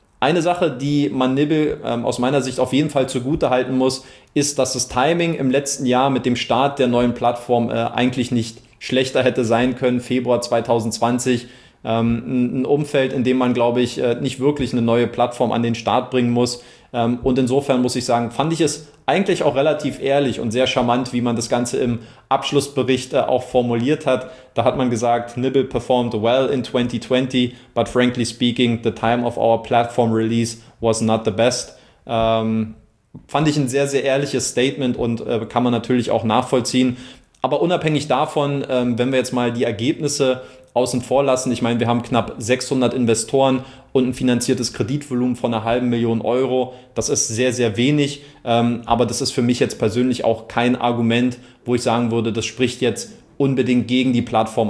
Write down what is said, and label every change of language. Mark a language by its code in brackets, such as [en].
[de] Eine Sache, die man Nibble aus meiner Sicht auf jeden Fall zugutehalten muss, ist, dass das Timing im letzten Jahr mit dem Start der neuen Plattform eigentlich nicht schlechter hätte sein können. Februar 2020, ein Umfeld, in dem man, glaube ich, nicht wirklich eine neue Plattform an den Start bringen muss. Und insofern muss ich sagen, fand ich es eigentlich auch relativ ehrlich und sehr charmant, wie man das Ganze im Abschlussbericht auch formuliert hat. Da hat man gesagt, [en] Nibble performed well in 2020, but frankly speaking, the time of our platform release was not the best. [de] Fand ich ein sehr, sehr ehrliches Statement und kann man natürlich auch nachvollziehen. Aber unabhängig davon, wenn wir jetzt mal die Ergebnisse außen vor lassen, ich meine, wir haben knapp 600 Investoren und ein finanziertes Kreditvolumen von 500.000 Euro. Das ist sehr, sehr wenig, aber das ist für mich jetzt persönlich auch kein Argument, wo ich sagen würde, das spricht jetzt unbedingt gegen die Plattform.